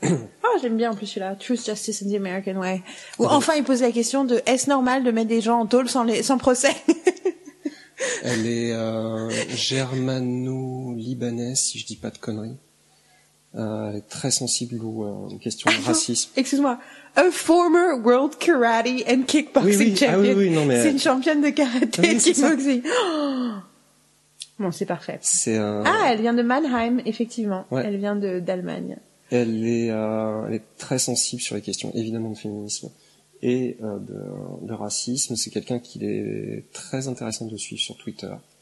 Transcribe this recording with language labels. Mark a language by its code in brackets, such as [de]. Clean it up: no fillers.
[fr] Oh, j'aime bien en plus celui-là, Truth, Justice and the American Way. Ou enfin, il pose la question de est-ce normal de mettre des gens en tôle sans procès. Elle est germano-libanaise, si je dis pas de conneries. Elle est très sensible aux questions de racisme. Excuse-moi. [en] A former world karate and kickboxing champion. [fr] Ah oui, non, mais... C'est une championne de karaté et kickboxing. Bon, c'est parfait. Elle vient de Mannheim, effectivement. Ouais. Elle vient d'Allemagne. Elle est très sensible sur les questions, évidemment, de féminisme et de racisme. C'est quelqu'un qui est très intéressant de suivre sur Twitter.